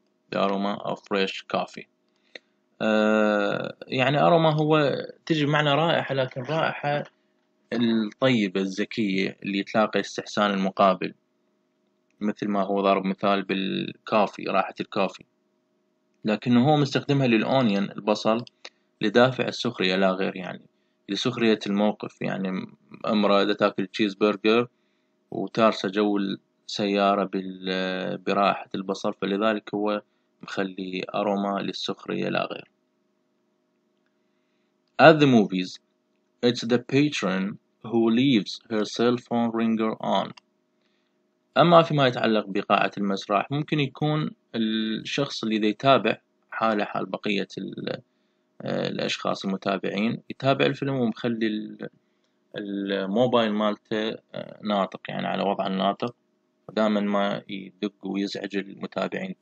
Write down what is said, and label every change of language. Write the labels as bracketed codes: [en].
[en] The aroma of fresh coffee [ar] يعني أروما هو تجي بمعنى رائحة، لكن رائحة الطيبة الزكية اللي تلاقي استحسان المقابل، مثل ما هو ضرب مثال بالكافي، رائحة الكافي، لكنه هو مستخدمها للأونيون البصل لدافع السخرية لا غير، يعني لسخرية الموقف. يعني امرأة إذا تأكل تشيز برجر وتارسة جو السيارة برائحة البصل، فلذلك هو مخلي أروما للسخرية لا غير. [en] At the movies, it's the patron who leaves her cell phone ringer on. [ar] أما فيما يتعلق بقاعة المسرح، ممكن يكون الشخص الذي يتابع حالة حال بقية الأشخاص المتابعين، يتابع الفيلم ومخلي الموبايل مالته ناطق، يعني على وضع الناطق، دائما ما يدق ويزعج المتابعين.